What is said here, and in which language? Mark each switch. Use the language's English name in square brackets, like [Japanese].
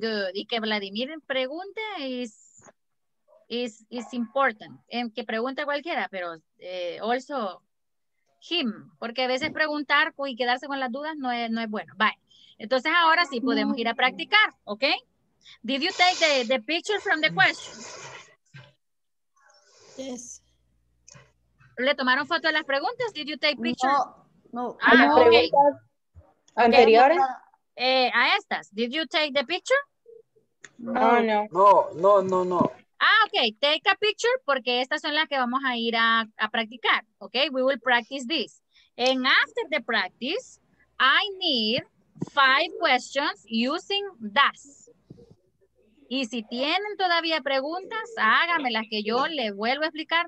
[Spanish] Good. Y que Vladimir pregunte [English] is important. [Spanish] En que pregunte cualquiera, pero [English] also him. [Spanish] Porque a veces preguntar y quedarse con las dudas no es bueno. Bye. Entonces ahora sí podemos ir a practicar, ¿ok? [English] Did you take the picture from the question? Yes. [Spanish] ¿Le tomaron foto a las preguntas? [English] Did you take picture? No. Ah, ok. [Spanish] ¿Anteriores? Okay. A estas. [English] Did you take the picture? No. Ah, okay. Take a picture [Spanish] porque estas son las que vamos a ir a practicar. [English] Okay, we will practice this. And after the practice, I need 5 questions using does. [Spanish] Y si tienen todavía preguntas, háganmelas que yo les vuelvo a explicar.